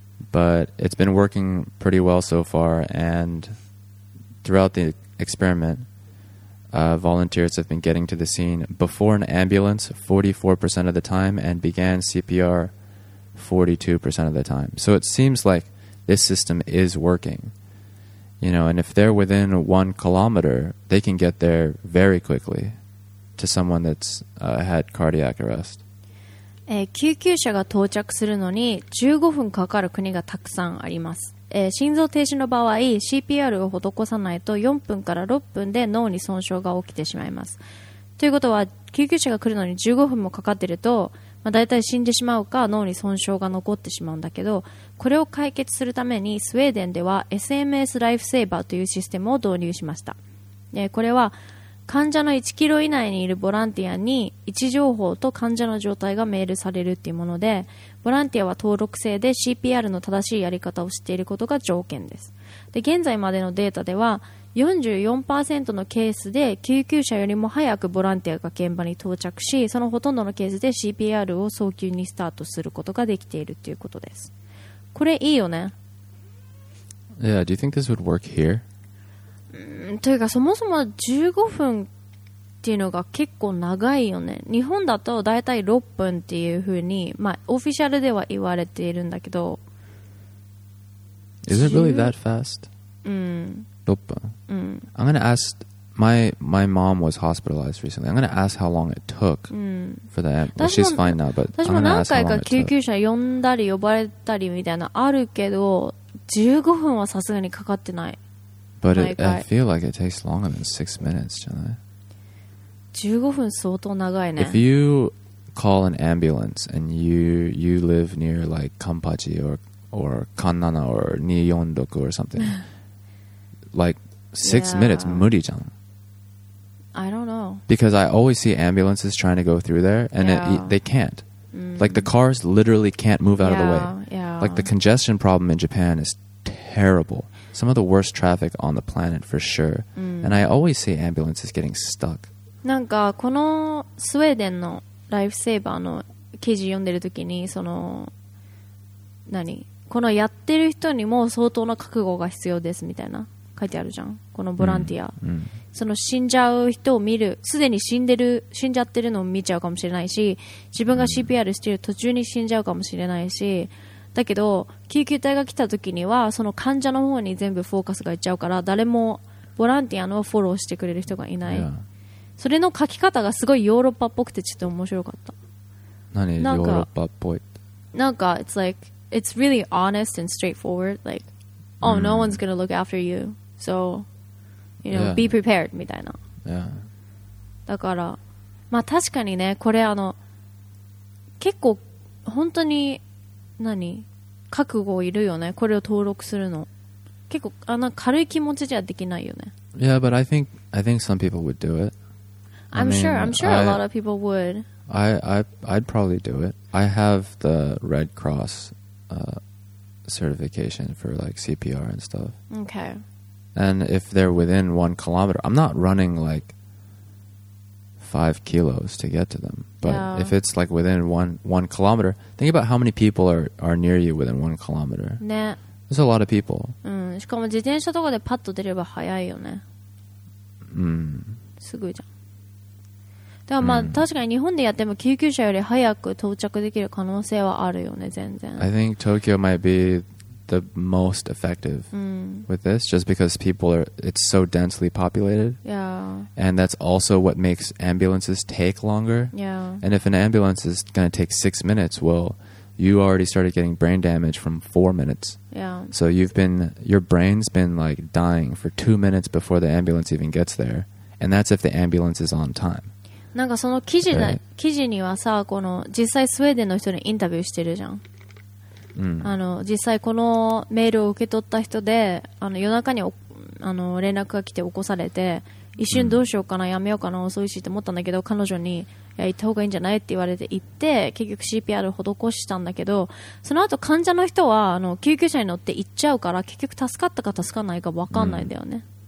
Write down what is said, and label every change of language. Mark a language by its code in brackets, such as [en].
[en] But it's been working pretty well so far. And throughout the experiment, volunteers have been getting to the scene before an ambulance 44% of the time and began CPR 42% of the time. So it seems like this system is working. You know, and if they're within 1 kilometer, they can get there very quickly to someone that's、had cardiac arrest. [ja] 救急車が到着するのに15分かかる国がたくさんあります。心臓停止の場合、CPR を施さないと4分から6分で脳に損傷が起きてしまいます。ということは、救急車が来るのに15分もかかっていると、まあ、大体死んでしまうか脳に損傷が残ってしまうんだけどこれを解決するためにスウェーデンでは SMS ライフセーバーというシステムを導入しました、これは患者の1キロ以内にいるボランティアに位置情報と患者の状態がメールされるっていうものでボランティアは登録制で CPR の正しいやり方を知っていることが条件ですで現在までのデータでは 44% のケースで救急車よりも早くボランティアが現場に到着し、そのほとんどのケースで CPR を早急にスタートすることができているということです。これいいよね。 [en] Yeah, do you think this would work here? [ja] というかそもそも15分っていうのが結構長いよね。日本だとだいたい6分っていうふうに、まあ、オフィシャルでは言われているんだけど。 [en] Is it really that fast? 6分。 I'm gonna ask my mom was hospitalized recently. I'm gonna ask how long it took for the ambulance. Well, she's fine now, but I'm gonna ask how long it took. [ja] 私も何回か救急車呼んだり呼ばれたりみたいなあるけど、15分はさすがにかかってない。 [en] But I feel like it takes longer than 6 minutes, [ja] じゃない？ 15分相当長いね。 [en] If you call an ambulance and you live near like Kanpachi or Kannana or Niyondoku or something, like 6 yeah. [ja] minutes, 無理じゃん。 [en] I don't know. Because I always see ambulances trying to go through there and they can't. Like the cars literally can't move out of the way. Yeah. Like the congestion problem in Japan is terrible. Some of the worst traffic on the planet for sure. And I always see ambulances getting stuck. [ja] なんかこのスウェーデンのライフセーバーの記事読んでるときに、その何このやってる人にも相当な覚悟が必要ですみたいな書いてあるじゃん、このボランティア、うんうん、その死んじゃう人を見る、すでに死んじゃってるのを見ちゃうかもしれないし、自分が CPR してる途中に死んじゃうかもしれないし、だけど救急隊が来たときにはその患者の方に全部フォーカスがいっちゃうから、誰もボランティアのフォローしてくれる人がいない、うん、それの書き方がすごいヨーロッパっぽくてちょっと面白かった。何ヨーロッパっぽい。 [en] なんか it's like it's really honest and straightforward. Like, oh,、mm. no one's gonna look after you, so you know,、yeah. be prepared [ja] みたいな。 [en] Yeah. [ja] だからまあ確かにね、これあの結構本当に何覚悟いるよね、これを登録するの。結構あの軽い気持ちじゃできないよね。 [en] Yeah, but I think some people would do it. I'm sure a lot of people would. I'd probably do it. I have the Red Cross certification for like CPR and stuff. Okay. And if they're within 1 kilometer, I'm not running like 5 kilos to get to them. But yeah. if it's like within one kilometer, think about how many people are near you within 1 kilometer. Yeah. There's a lot of people. [ja] しかも自転車とかでパッと出れば早いよね。すごいじゃん。でもまあ確かに日本でやっても救急車より早く到着できる可能性はあるよね、全然。 [en] I think Tokyo might be the most effective with this, just because it's so densely populated. Yeah. And that's also what makes ambulances take longer. Yeah. And if an ambulance is going to take 6 minutes, well, you already started getting brain damage from 4 minutes. Yeah. So your brain's been like dying for 2 minutes before the ambulance even gets there. And that's if the ambulance is on time. [ja] なんかその記事にはさ、この実際スウェーデンの人にインタビューしてるじゃん、うん、あの実際このメールを受け取った人で、あの夜中にあの連絡が来て起こされて、一瞬どうしようかな、やめようかな、遅いしって思ったんだけど、彼女にいや行った方がいいんじゃないって言われて行って、結局 CPR 施したんだけど、その後患者の人はあの救急車に乗って行っちゃうから、結局助かったか助かないか分かんないんだよね、うん、